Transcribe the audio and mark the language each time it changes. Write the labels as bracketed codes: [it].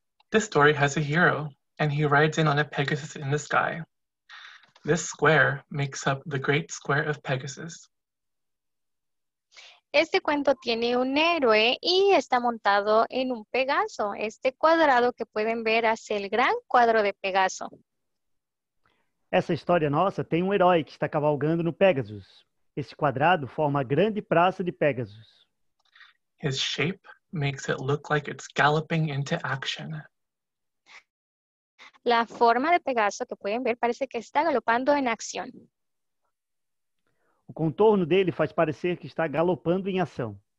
[en] This story has a hero, and he rides in on a Pegasus in the sky. This square makes up the great square of Pegasus. [es] Este cuento tiene un héroe y está montado en un Pegaso. Este cuadrado que pueden ver hace el gran cuadro de Pegaso. [pt] Essa história nossa tem um herói que está cavalgando no Pegasus. Esse quadrado forma a grande praça de Pegasus. [en] His shape makes it look like it's galloping into action. [es] La forma de Pegaso que pueden ver parece que está galopando en acción. [pt] O contorno dele faz parecer que está galopando em ação.